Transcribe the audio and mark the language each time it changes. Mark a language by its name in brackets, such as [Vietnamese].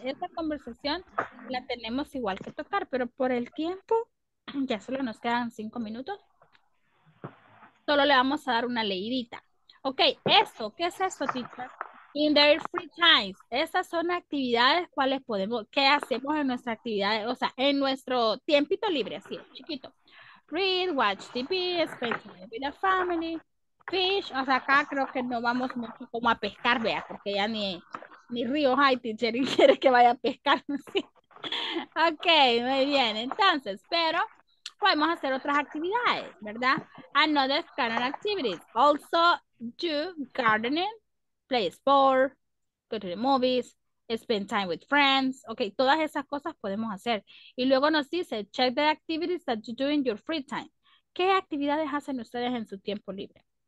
[Spanish] Esta conversación la tenemos igual que tocar, pero por el tiempo, ya solo nos quedan 5 minutos. Solo le vamos a dar una leidita. Ok, esto. ¿Qué es esto, teacher? [English] In their free times. [Spanish] Estas son actividades cuales podemos, ¿qué hacemos en nuestras actividades? O sea, en nuestro tiempito libre, así, chiquito. [English] Read, watch TV, spend time with the family. [Spanish] Fish, o sea, acá creo que no vamos mucho como a pescar, vea, porque ya ni río hay, teacher, y quiere que vaya a pescar, no sé. Ok, muy bien, entonces, pero podemos hacer otras actividades, ¿verdad? [English] Another kind of activities. Also, do gardening, play sport, go to the movies, spend time with friends. [Spanish] Ok, todas esas cosas podemos hacer. Y luego nos dice, [English] check the activities that you do in your free time. [Spanish] ¿Qué actividades hacen ustedes en su tiempo libre?